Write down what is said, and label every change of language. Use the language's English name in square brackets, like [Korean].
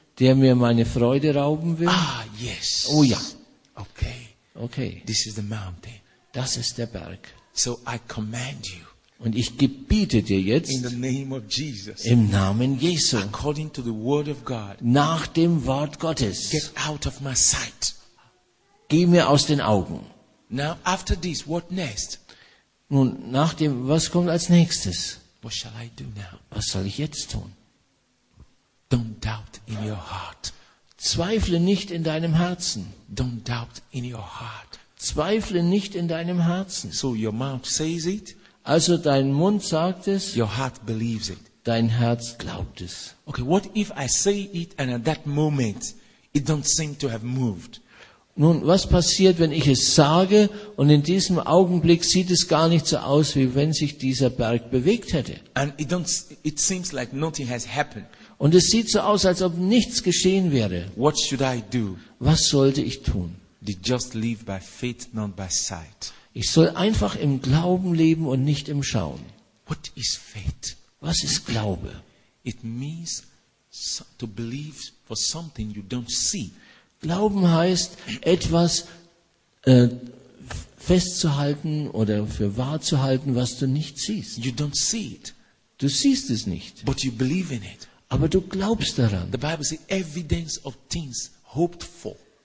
[German] Der mir meine Freude rauben will? [English] Ah, yes. [German] Oh ja. Okay. Okay. [English] This is the mountain. [German] Das ist der Berg. [English] So I command you. [German] Und ich gebiete dir jetzt [English] in the name of Jesus, [German] im Namen Jesu, [English] according to the word of God, [German] nach dem Wort Gottes, [English] get out of my sight. [German] Geh mir aus den Augen. [English] Now, after this, what next? [German] Nun, nach dem, was kommt als nächstes? [English] What shall I do now? [German] Was soll ich jetzt tun? [English] Don't doubt in your heart. [German] Zweifle nicht in deinem Herzen. [English] Don't doubt in your heart. [German] Zweifle nicht in deinem Herzen. [English] So your mouth says it. [German] Also dein Mund sagt es. [English] Your heart believes it. [German] Dein Herz glaubt es. [English] Okay, what if I say it and at that moment it don't seem to have moved? [German] Nun, was passiert, wenn ich es sage und in diesem Augenblick sieht es gar nicht so aus, wie wenn sich dieser Berg bewegt hätte? [English] And it seems like nothing has happened. [German] Und es sieht so aus, als ob nichts geschehen wäre. [English] What should I do? [German] Was sollte ich tun? [English] They just live by faith, not by sight. [German] Ich soll einfach im Glauben leben und nicht im Schauen. [English] What is faith? [German] Was ist Glaube? [English] It means to believe for something you don't see. [German] Glauben heißt, etwas festzuhalten oder für wahr zu halten, was du nicht siehst. [English] You don't see it. [German] Du siehst es nicht. [English] But you believe in it. [German] Aber du glaubst daran. [English] The Bible says, evidence of things hoped for.